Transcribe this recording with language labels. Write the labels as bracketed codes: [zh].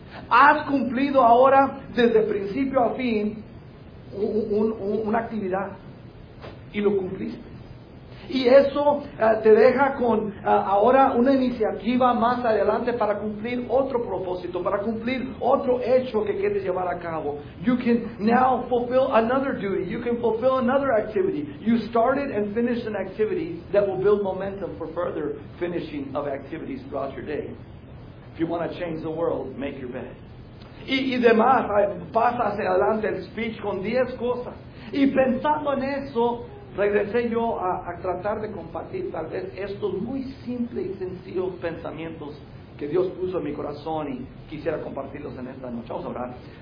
[es] Has cumplido ahora, desde principio a fin, una actividad. Y lo cumpliste. Y eso te deja con ahora una iniciativa más adelante para cumplir otro propósito, para cumplir otro hecho que quieres llevar a cabo. [en] You can now fulfill another duty. You can fulfill another activity. You started and finished an activity that will build momentum for further finishing of activities throughout your day. If you want to change the world, make your bed. [es] Y demás, pasa hacia adelante el speech con 10 cosas. Y pensando en eso, regresé yo a tratar de compartir tal vez estos muy simples y sencillos pensamientos que Dios puso en mi corazón y quisiera compartirlos en esta noche. Vamos a orar.